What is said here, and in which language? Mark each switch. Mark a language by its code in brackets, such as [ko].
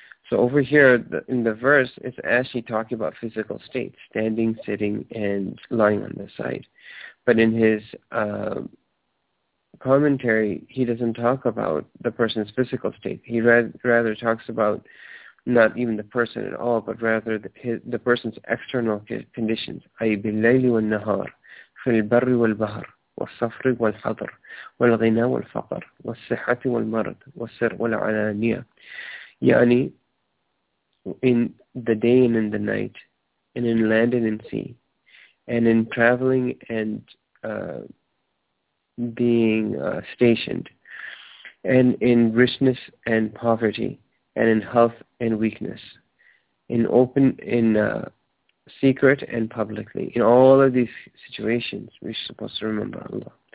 [en] So over here in the verse, it's actually talking about physical states, standing, sitting, and lying on the side. But in his commentary, he doesn't talk about the person's physical state. He rather talks about not even the person at all, but rather the person's external conditions. [ar] أي بالليل والنهار في البر والبحر والصفر والحضر والغنى والفقر والصحة والمرض والسر والعلانية. [en] يعني in the day and in the night, and in land and in sea, and in traveling and being stationed, and in richness and poverty, and in health and weakness, in open, in secret and publicly, in all of these situations, we're supposed to remember Allah.